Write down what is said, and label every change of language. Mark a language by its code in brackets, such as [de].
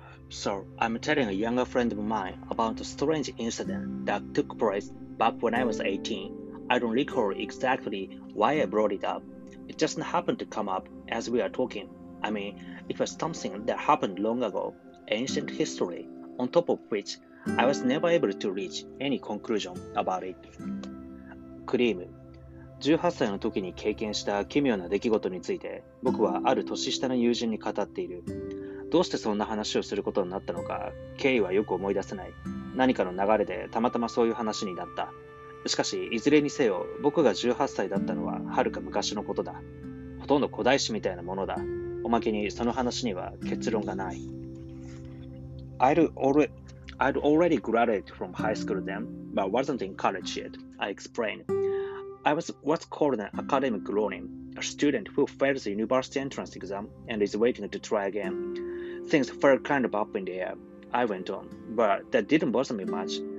[en] So I'm telling a younger friend of mine about a strange incident that took place back when I was 18. I don't recall exactly why I brought it up. It just happened to come up as we are talking. I mean, it was something that happened long ago, ancient history, on top of which I was never able to reach any conclusion about it. [ja] クリーム、18歳の時に経験した奇妙な出来事について、僕はある年下の友人に語っている。どうしてそんな話をすることになったのか、経緯はよく思い出せない。何かの流れでたまたまそういう話になった。しかし、いずれにせよ、僕が18歳だったのは遥か昔のことだ。ほとんど古代史みたいなものだ。おまけにその話には結論がない。 [en] I'd already graduated from high school then, but wasn't in college yet, I explained. I was what's called an academic loonie, a student who fails the university entrance exam and is waiting to try again. Things felt kind of up in the air, I went on, but that didn't bother me much.